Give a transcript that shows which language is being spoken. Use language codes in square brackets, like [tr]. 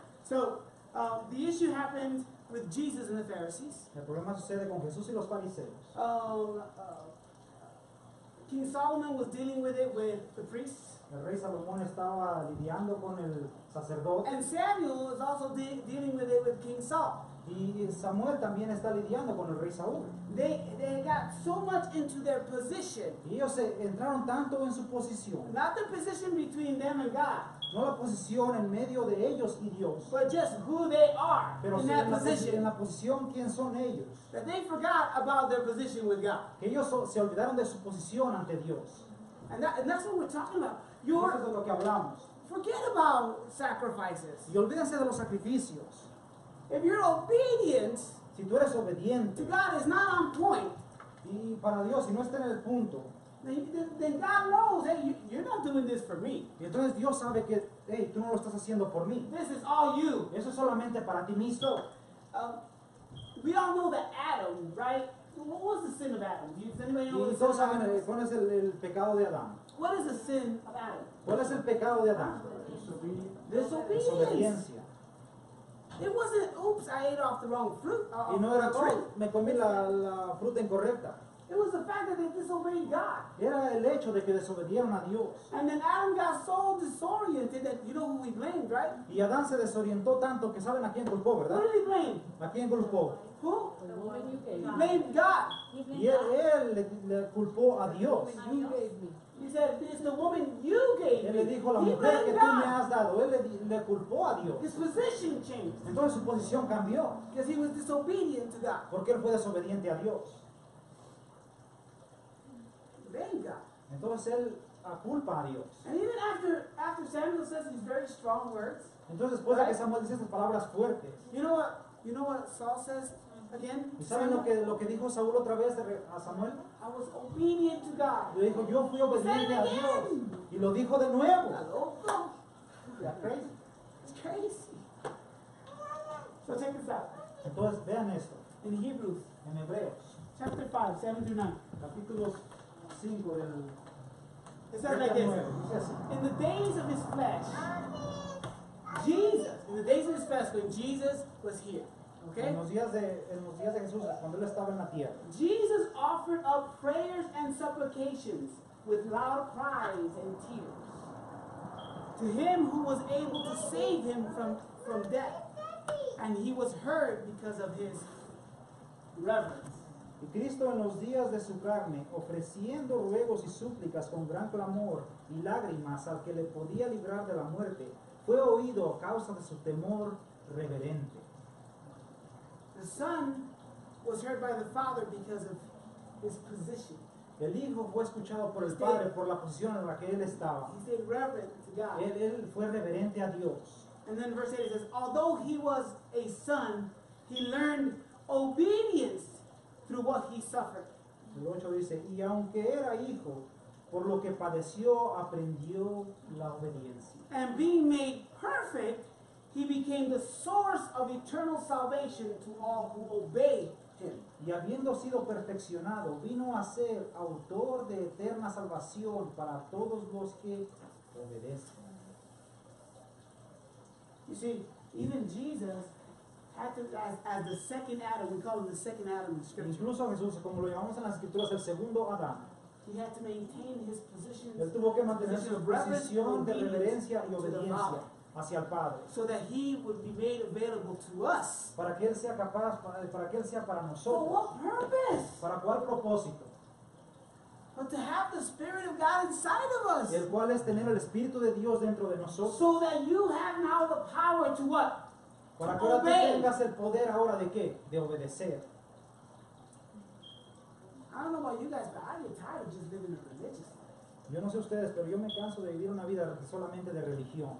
[en] So the issue happened with Jesus and the Pharisees. [es] El problema sucede con Jesús y los fariseos. [en] King Solomon was dealing with it with the priests. [es] El rey Salomón estaba lidiando con el sacerdote. [en] And Samuel was also dealing with it with King Saul. [es] Y Samuel también está lidiando con el rey Saúl. [en] They got so much into their position. [es] Y ellos se entraron tanto en su posición. [en] Not the position between them and God. [es] No la posición en medio de ellos y Dios. [en] But just who they are. [es] Pero [en] in that position. [es] En la posición, ¿quién son ellos? [en] That they forgot about their position with God. [es] Que ellos se olvidaron de su posición ante Dios. [en] And that's what we're talking about. [es] Eso es de lo que hablamos. [en] Forget about sacrifices. [es] Y olvídense de los sacrificios. [en] If you're obedient, [es] si tú eres obediente, [en] to God is not on point, [es] y para Dios, si no está en el punto, [en] then God knows that you're not doing this for me. [es] Y entonces Dios sabe que, hey, tú no lo estás haciendo por mí. [en] This is all you. [es] Eso es solamente para ti mismo. [en] We all know that Adam, right? What was the sin of Adam? Does anybody know? [es] Y todos saben cuál es el pecado de Adán. [en] What is the sin of Adam? [es] ¿Cuál es el pecado de Adán? Desobediencia. [en] It wasn't, oops, I ate off the wrong fruit. [es] Y no era, me comí la fruta incorrecta. [en] It was the fact that they disobeyed God. [es] Era el hecho de que desobedieron a Dios. [en] And then Adam got so disoriented that you know who he blamed, right? [es] Y Adán se desorientó tanto que saben a quién culpó, ¿verdad? [en] Who did he blame? [es] ¿A quién culpó? [en] Who? He blamed God. [es] Y él le culpó a Dios. [en] He said, it's the woman you gave me. [es] Él le dijo, la mujer que tú me has dado. Él le culpó a Dios. [en] His position changed. [es] Entonces su posición cambió. [en] Because he was disobedient to God. [es] Porque él fue desobediente a Dios. Venga. Entonces él culpa a Dios. [en] And even after Samuel says these very strong words. [es] Entonces después de que Samuel dice estas palabras fuertes. [en] You know what Saul says again? [es] ¿Y saben lo que dijo Saúl otra vez a Samuel? [en] I was obedient to God. [es] Le dijo, yo fui obediente a Dios. Y lo dijo de nuevo. [en] It's crazy. So check this out. [es] Entonces vean esto. [en] In Hebrews. [es] En Hebreos. [en] Chapter 5, 7 through 9. [es] Capítulo 5 del. [en] It says like this. In the days of his flesh. Jesus. In the days of his flesh, when Jesus was here. Okay. [es] En los días de Jesús, cuando él estaba en la tierra. [en] Jesus offered up prayers and supplications with loud cries and tears to him who was able to save him from death. And he was heard because of his reverence. [es] Y Cristo en los días de su carne, ofreciendo ruegos y súplicas con gran clamor y lágrimas al que le podía librar de la muerte, fue oído a causa de su temor reverente. [en] The Son was heard by the Father because of his position. [es] El Hijo fue escuchado por el Padre por la posición en la que él estaba. [en] He stayed reverent to God. [es] Él fue reverente a Dios. [en] And then verse 8 says, although he was a son, he learned obedience through what he suffered. [es] El 8 dice, y aunque era hijo, por lo que padeció, aprendió la obediencia. [en] And being made perfect, he became the source of eternal salvation to all who obey him. [es] Y habiendo sido perfeccionado, vino a ser autor de eterna salvación para todos los que obedecen. [en] You see, even Jesus had to, as the second Adam, we call him the second Adam in Scripture. [es] Incluso Jesús, como lo llamamos en las Escrituras, el segundo Adán. [en] He had to maintain his position. [es] Él tuvo que mantener su posición de reverencia y obediencia hacia el Padre. [en] So that he would be made available to us. [es] Para que él sea capaz, para que él sea para nosotros. [en] For what purpose? [es] ¿Para cuál propósito? [en] But to have the Spirit of God inside of us. [es] El cual es tener el Espíritu de Dios dentro de nosotros. [en] So that you have now the power to what? [es] Para que ahora tengas el poder ahora de qué? De obedecer. [en] I don't know about you guys, but I get tired of just living a religious life. [es] Yo no sé ustedes, pero yo me canso de vivir una vida solamente de religión.